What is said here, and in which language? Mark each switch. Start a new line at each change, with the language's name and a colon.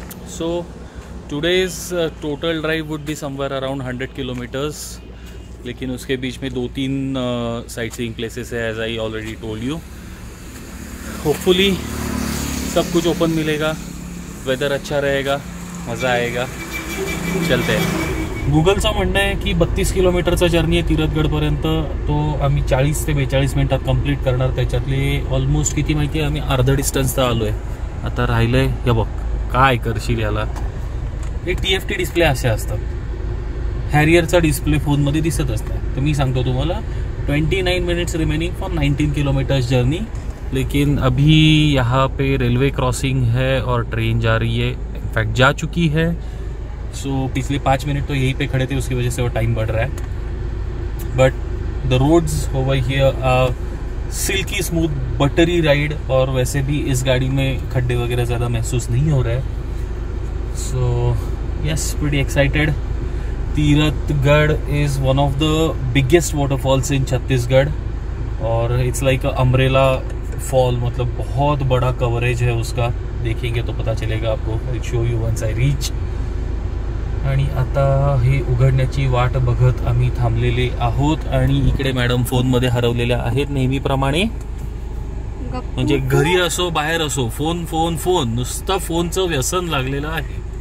English: so today's total drive would be somewhere around 100 kilometres,
Hindi: लेकिन उसके बीच में दो तीन
English: Sightseeing places है as I already told you.
Hindi: Hopefully सब कुछ ओपन मिलेगा, वेदर अच्छा रहेगा, मज़ा आएगा, चलते हैं.
Marathi: गूगल सा म्हणणं आहे की 32 किलोमीटरचा जर्नी आहे तीरथगडपर्यंत, तो आम्ही 40 ते 42 मिनिटात कंप्लीट करणार. त्याच्यातले ऑलमोस्ट किती माहिती आहे, आम्ही अर्धा डिस्टन्स तर आलो आहे. आता राहिलं आहे हे बघ काय करशील याला. एक TFT डिस्प्ले असे असतात, हॅरियरचा डिस्प्ले फोनमध्ये दिसत असतं. तर मी सांगतो तुम्हाला
English: 29 minutes remaining for 19 kilometres journey.
Hindi: लेकिन अभी यहाँ पे रेलवे क्रॉसिंग है और ट्रेन जा रही है, इनफैक्ट जा चुकी है. सो पिछले 5 मिनट तो यहीं पे खड़े थे, उसकी वजह से वो टाइम बढ़ रहा है.
English: But the roads over here are silky smooth, buttery ride.
Hindi: और वैसे भी इस गाड़ी में खड्डे वगैरह ज़्यादा महसूस नहीं हो रहे.
English: So yes, pretty excited. Tirathgarh is one of the biggest waterfalls in Chhattisgarh, और it's like umbrella fall,
Hindi: मतलब बहुत बड़ा कवरेज है उसका. देखेंगे तो पता चलेगा आपको,
English: I show you once I reach.
Marathi: आणि आता हे उघडण्याची वाट बघत आम्ही थांबलेले आहोत, आणि इकडे मॅडम फोनमध्ये हरवलेल्या आहेत नेहमीप्रमाणे, म्हणजे घरी असो बाहेर असो, फोन फोन फोन, नुसतं फोनचं व्यसन लागलेलं आहे.